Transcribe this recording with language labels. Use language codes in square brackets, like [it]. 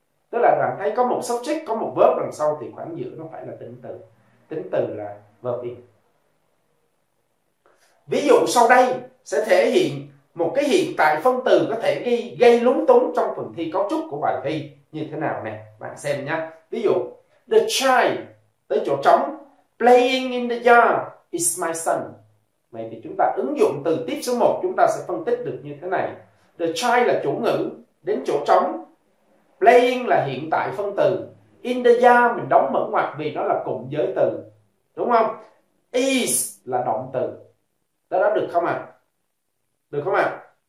[vi] Tức là bạn thấy có một subject, có một verb đằng sau thì khoảng giữa nó phải là tính từ. Tính từ là verb in. Ví dụ sau đây sẽ thể hiện một cái hiện tại phân từ có thể gây lúng túng trong phần thi cấu trúc của bài thi như thế nào nè. Bạn xem nha. Ví dụ, [en] the child, [vi] tới chỗ trống, [en] playing in the yard is my son. [vi] Vậy thì chúng ta ứng dụng từ tiếp số 1, chúng ta sẽ phân tích được như thế này. [en] The child [vi] là chủ ngữ, đến chỗ trống, playing là hiện tại phân từ. [en] In the yard [vi] mình đóng mở ngoặc vì nó là cụm giới từ. Đúng không? Is là động từ. Đó được không ạ? À? Được không ạ? À?